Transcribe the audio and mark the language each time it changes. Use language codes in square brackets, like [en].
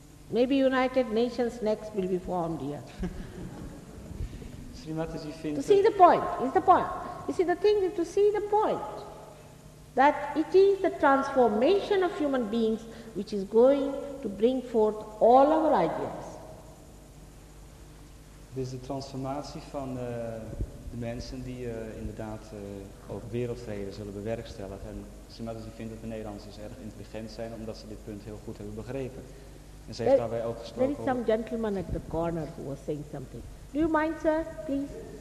[en] Maybe United Nations next will be formed here. Sri Mataji, to see the point, is the point. You see, the thing is to see the point. that it is the transformation of human beings which is going to bring forth all our ideas. [nl] Het is de transformatie van de mensen die inderdaad ook wereldvrede zullen bewerkstelligen. En Sri Mataji vindt dat de Nederlanders erg intelligent zijn omdat ze dit punt heel goed hebben begrepen. En ze heeft daarbij ook gesproken. [en] There is some gentleman at the corner who was saying something. Do you mind, sir, please?